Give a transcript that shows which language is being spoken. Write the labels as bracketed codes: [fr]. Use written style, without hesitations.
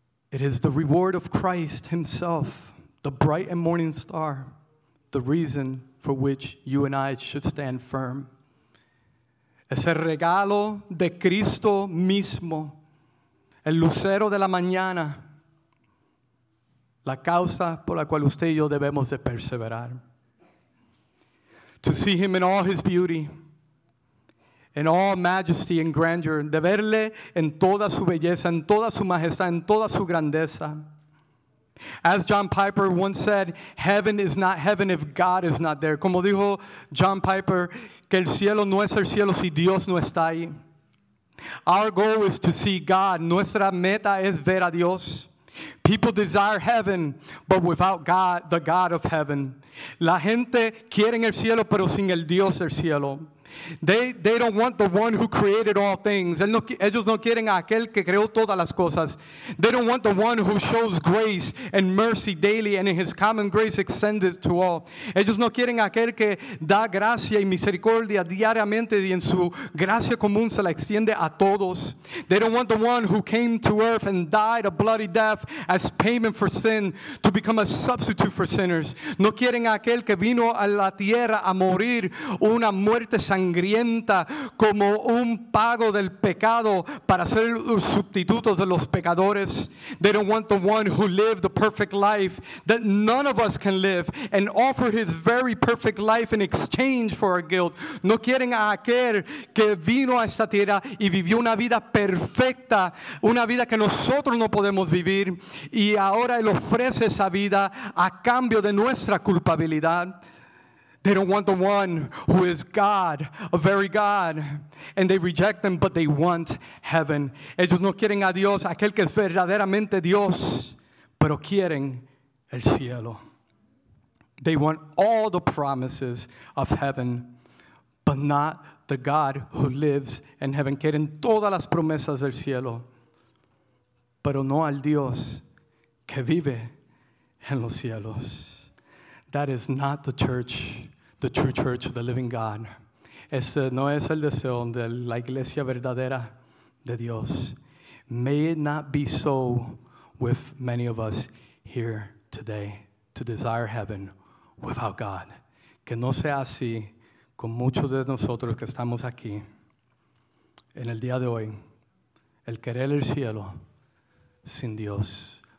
[en] It is the reward of Christ himself, the bright and morning star, the reason for which you and I should stand firm. [es] Es el regalo de Cristo mismo, el lucero de la mañana, la causa por la cual usted y yo debemos de perseverar. [en] To see him in all his beauty, in all majesty and grandeur, [es] de verle en toda su belleza, en toda su majestad, en toda su grandeza. [en] As John Piper once said, heaven is not heaven if God is not there. [es] Como dijo John Piper, que el cielo no es el cielo si Dios no está ahí. [en] Our goal is to see God. [es] Nuestra meta es ver a Dios. [en] People desire heaven, but without God, the God of heaven. [es] La gente quiere el cielo, pero sin el Dios del cielo. [en] They don't want the one who created all things. [es] Ellos no quieren a aquel que creó todas las cosas. [en] They don't want the one who shows grace and mercy daily and in his common grace extended to all. [es] Ellos no quieren a aquel que da gracia y misericordia diariamente y en su gracia común se la extiende a todos. [en] They don't want the one who came to earth and died a bloody death as payment for sin to become a substitute for sinners. [es] No quieren a aquel que vino a la tierra a morir una muerte sangrienta sangrienta como un pago del pecado para ser los sustitutos de los pecadores. [en] They don't want the one who lived the perfect life that none of us can live and offer his very perfect life in exchange for our guilt. [es] No quieren a aquel que vino a esta tierra y vivió una vida perfecta, una vida que nosotros no podemos vivir, y ahora él ofrece esa vida a cambio de nuestra culpabilidad. [en] They don't want the one who is God, a very God, and they reject him, but they want heaven. [es] Ellos no quieren a Dios, aquel que es verdaderamente Dios, pero quieren el cielo. [en] They want all the promises of heaven, but not the God who lives in heaven. [es] Quieren todas las promesas del cielo, pero no al Dios que vive en los cielos. [en] That is not the church, the true church of the living God. [es] Ese no es el deseo de la iglesia verdadera de Dios. [en] May it not be so with many of us here today to desire heaven without God. [es] Que no sea así con muchos de nosotros que estamos aquí en el día de hoy, el querer el cielo sin Dios.